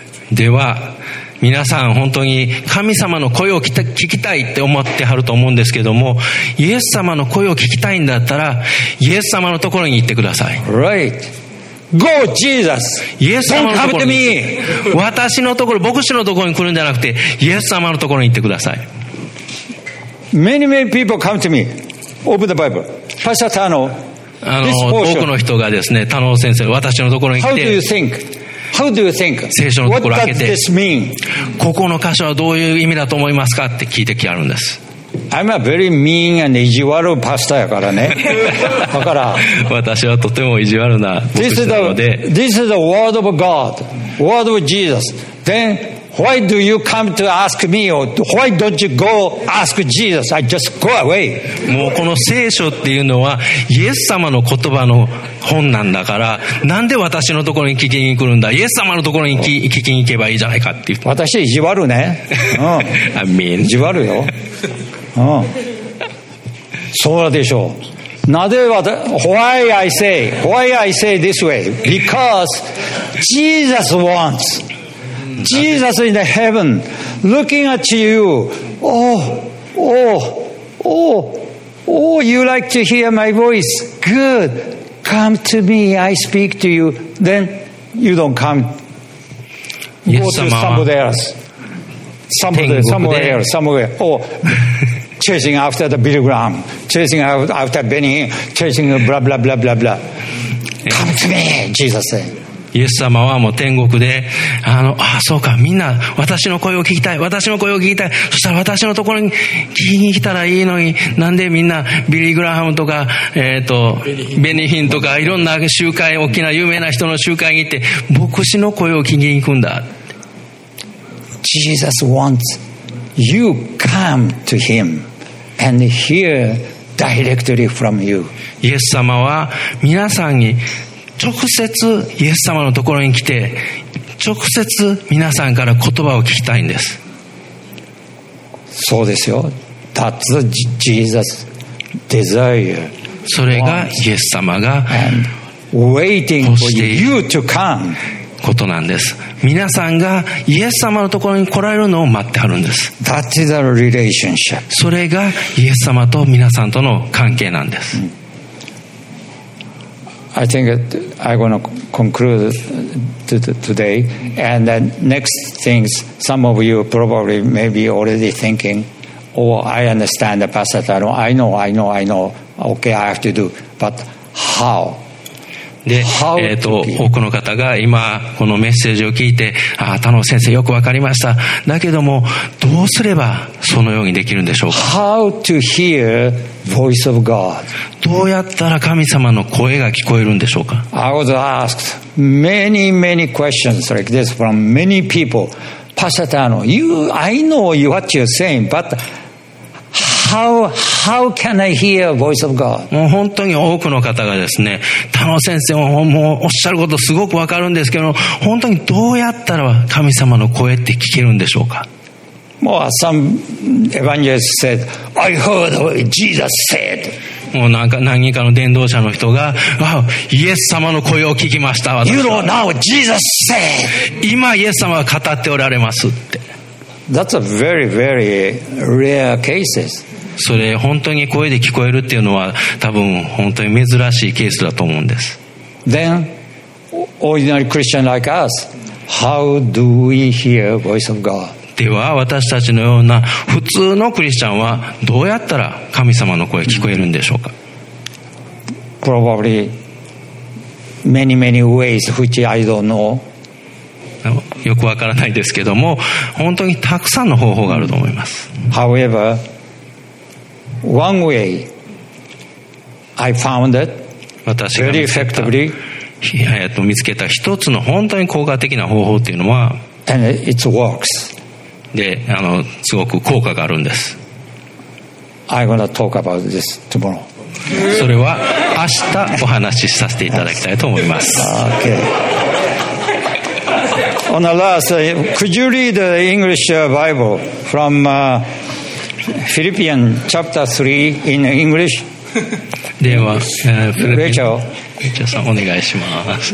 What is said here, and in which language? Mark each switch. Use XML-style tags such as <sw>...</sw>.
<ja>では皆さん本当に神様の声を聞きたいって思ってはると思うんですけども、イエス様の声を聞きたいんだったら、イエス様のところに行ってください。</ja> <en>Right. Go, Jesus.</en> <ja>イエス様のところに。私のところ、牧師のところに来るんじゃなくて、イエス様のところに行ってください。</ja> <en>Many, many people come to me over the Bible. Pastor Tano, this portion.</en> <ja>多くの人がですね、Tano先生、私のところに来て。</ja> <en>How do you think? How do you think?</en> <ja>聖書のところを開けて</ja> <en>What does this mean?</en> <ja>ここの箇所はどういう意味だと思いますかって聞いてきてあるんです</ja> <en>I'm a very mean and</en> <ja>意地悪パスタやからねだから私はとても意地悪な牧師なので</ja> <en>This is the word of God word of Jesus then why do you come to ask me or why don't you go ask Jesus I just go away</en> <ja>もうこの聖書っていうのはイエス様の言葉の本なんだからなんで私のところに聞きに来るんだイエス様のところに聞きに行けばいいじゃないかっていう私意地悪ね、うん、</ja> <en>I mean</en> <ja>意地悪よ、うん、そうでしょうなぜ</ja> <en>why I say this way because Jesus wants Jesus in the heaven looking at you oh you like to hear my voice goodCome to me, I speak to you. Then you don't come. Go to somebody else. Somewhere. Oh, chasing after the Billy Graham, chasing after Benny, chasing blah blah blah blah blah. Come to me, Jesus said.</en> <ja>イエス様はもう天国で、そうか、みんな、私の声を聞きたい。そしたら私のところに聞きに来たらいいのに、なんでみんな、ビリー・グラハムとか、ベニヒンとか、いろんな集会、大きな有名な人の集会に行って、牧師の声を聞きに行くんだ。</ja> <en>Jesus wants you come to him and hear directly from you.</en> <ja>イエス様は皆さんに、直接イエス様のところに来て直接皆さんから言葉を聞きたいんですそうですよ</ja> <en>That's Jesus desire</en> <ja>それがイエス様が</ja> <en>waiting for you to come</en> <ja>ことなんです皆さんがイエス様のところに来られるのを待ってはるんです</ja> <en>That is a relationship</en> <ja>それがイエス様と皆さんとの関係なんです、うん</ja> <en>I think I'm going to conclude today. And then next things, some of you probably maybe already thinking, oh, I understand the passage. I know. Okay, I have to do. But how?</en> <ja>で、多くの方が今このメッセージを聞いて、ああ、田野先生よくわかりました。だけども、どうすればそのようにできるんでしょうか。</ja> <en>How to hear voice of God?</en> <ja>どうやったら神様の声が聞こえるんでしょうか。</ja> <en>I was asked many, many questions like this from many people. Pastor Tano, I know what you're saying, but How can I hear voice of God?</en> <ja>もう本当に多くの方がですね、田野先生ももうおっしゃることすごくわかるんですけど、本当にどうやったら神様の声って聞けるんでしょうか。</ja> <en>もう some evangelists said, I heard what Jesus said.</en> <ja>もうなんか何人かの伝道者の人が、わあ、イエス様の声を聞きました。</ja> <en>You don't know Jesus said.</en> <ja>今イエス様は語っておられますって。</ja> <en>That's a very, very rare cases.</en> <ja>それ本当に声で聞こえるっていうのは多分本当に珍しいケースだと思うんです。</ja> <en>Then, ordinary Christian like us, how do we hear voice of God?</en> <ja>では私たちのような普通のクリスチャンはどうやったら神様の声聞こえるんでしょうか</ja> <en>?Probably many, many ways which I don't know.</en> <ja>よくわからないですけども本当にたくさんの方法があると思います</ja> <en>However, one way I found it very effectively</en> <ja>見つけた一つの本当に効果的な方法っていうのは</ja> <en>And it works</en> <ja>で、すごく効果があるんです</ja> <en>I'm gonna talk about this tomorrow</en> <ja>それは明日お話しさせていただきたいと思います</ja> <en>OKOn the last, could you read the English Bible from Philippians chapter 3 in English.</en> <ja>では、</ja> <en>Rachel.</en> <ja>Rachel, お願いします。</ja>